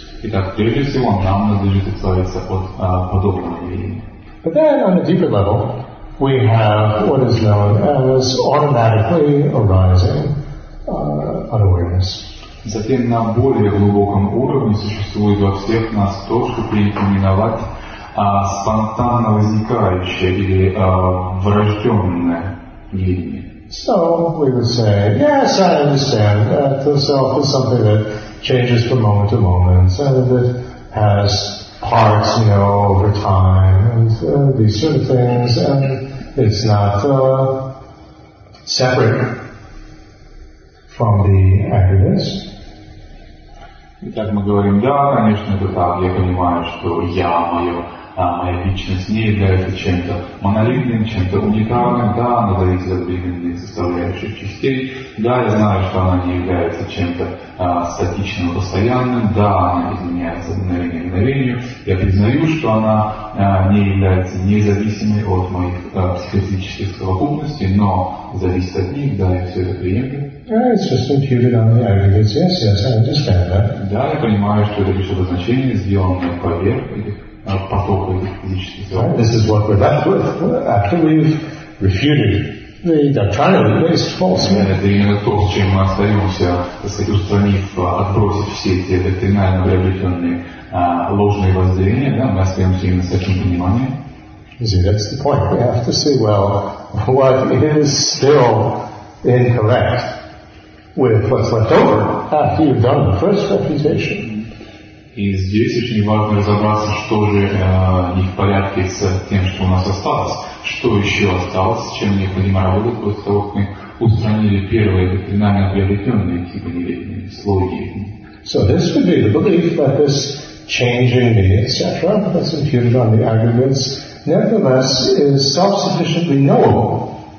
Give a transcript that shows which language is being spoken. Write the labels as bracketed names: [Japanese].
[Russian] Итак, прежде всего, нам надлежит отстаиваться от подобного мнения. [English] But then, on a deeper level, we have what is known as automatically arising unawareness. [Russian] Затем, на более глубоком уровне, существует во всех нас то, что принято именовать спонтанно возникающее или врожденное неведение. [English] So we would say, yes, I understand that the self is something that changes from moment to moment, and that it has parts, you know, over time, and these sort of things, and it's not separate from the aggregates. [Russian] Итак, мы говорим, да, конечно, это так, я понимаю, что я, мое, моя личность не является чем-то монолитным, чем-то уникальным, да, она зависит от временной составляющей частей, да, я знаю, что она не является чем-то статичным, постоянным, да, она изменяется мгновение к мгновению, я признаю, что она не является независимой от моих психофизических совокупностей, но зависит от них, да, я все это приемлю. [English] It's just imputed on the aggregates. Yes, yes, I understand that. [Russian] Да, я понимаю, что это лишь обозначение, сделанное поверх потока физических сил. [English] This is what we're left with after we've refuted the doctrinally based false myth. [Russian] Это именно то, с чем мы остаемся, так сказать, устранив, отбросив все эти доктринально приобретенные ложные воззрения, да, мы остаемся именно с таким пониманием. [English] See, that's the point. We have to see, well, what is still incorrect with what's left over after you've done the first refutation. [Russian] И здесь очень важно разобраться, что же не в порядке с тем, что у нас осталось, что еще осталось, с чем необходимо работать после того, как мы устранили первые доктринально приобретенные типы неведения, слоги. [English] So this would be the belief that this changing me, etc., that's imputed on the aggregates, nevertheless is self-sufficiently knowable.